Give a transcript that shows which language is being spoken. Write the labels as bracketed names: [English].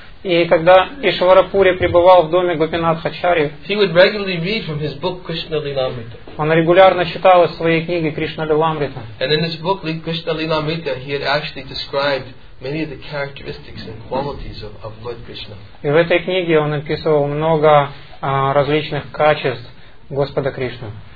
[Russian] и когда Ишварапури пребывал в доме Гопинатхачари, [English] he would regularly read from his book Krishna Lilamrita. [Russian] Он регулярно читал из своей книги Кришна Лиламрита. [English] And in his book Krishna Lilamrita, he had actually described many of the characteristics and qualities of Lord Krishna. [Russian] И в этой книге он описывал много различных качеств Господа Кришны.